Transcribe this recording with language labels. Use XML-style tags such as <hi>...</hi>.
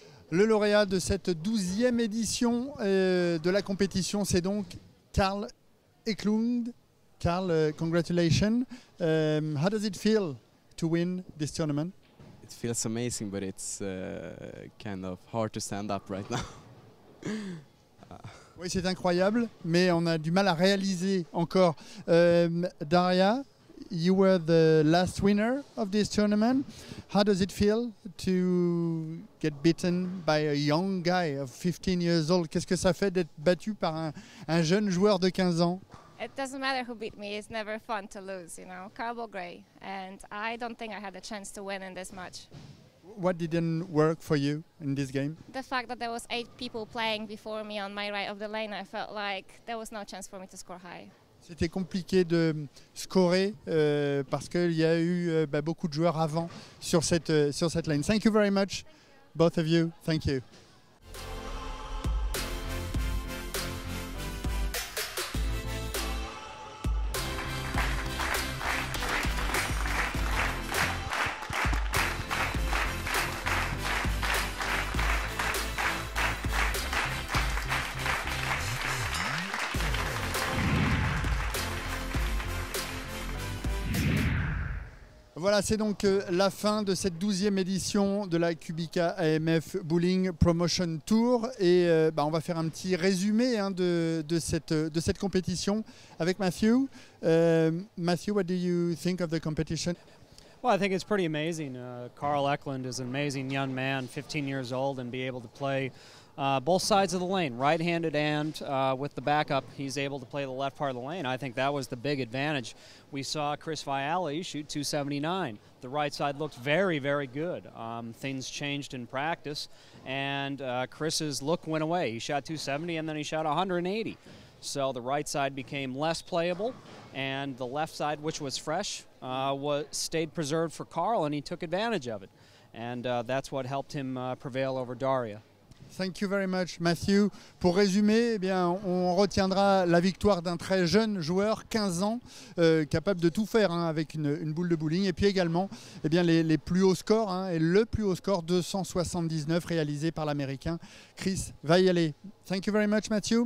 <fr>Le lauréat de cette 12e édition de la compétition, c'est donc Carl Eklund.</fr> <en>Carl, congratulations. How does it feel to win this tournament? It feels amazing, but it's kind of hard to stand up right now.</en> <fr>Oui, c'est incroyable, mais on a du mal à réaliser encore.</fr> <en>Daria, you were the last winner of this tournament. How does it feel to get beaten by a young guy of 15 years old?</en> <fr>Qu'est-ce que ça fait d'être battu par un jeune joueur de 15 ans?</fr> <en>It doesn't matter who beat me, it's never fun to lose, you know. Carl Beaucouze, and I don't think I had a chance to win in this match. Whoa. what didn't work for you in this game? The fact that there was 8 people playing before me on my right of the lane, I felt like there was no chance for me to score high.</en> <fr>C'était compliqué de scorer parce qu'il y a eu beaucoup de joueurs avant sur cette lane.</fr> <en>Thank you very much, both of you. Thank you.</en> <fr>Voilà, c'est donc la fin de cette 12e édition de la Cubica AMF Bowling Promotion Tour. Et on va faire un petit résumé hein, de cette compétition avec Matthew.</fr> <en>Matthew, what do you think of the competition? Well, I think it's pretty amazing. Carl Eklund is an amazing young man, 15 years old, and be able to play both sides of the lane, right-handed and with the backup, he's able to play the left part of the lane. I think that was the big advantage. We saw Chris Vialli shoot 279. The right side looked very, very good. Things changed in practice, and Chris's look went away. He shot 270, and then he shot 180. So the right side became less playable, and the left side, which was fresh, stayed preserved for Carl, and he took advantage of it. And that's what helped him prevail over Daria. Thank you very much, Matthew.</en> <fr>Pour résumer, eh bien, on retiendra la victoire d'un très jeune joueur, 15 ans, capable de tout faire hein, avec une boule de bowling. Et puis également, eh bien, les plus hauts scores, hein, et le plus haut score, 279, réalisé par l'Américain Chris Vialli.</fr> <en>Thank you very much, Matthew.</en>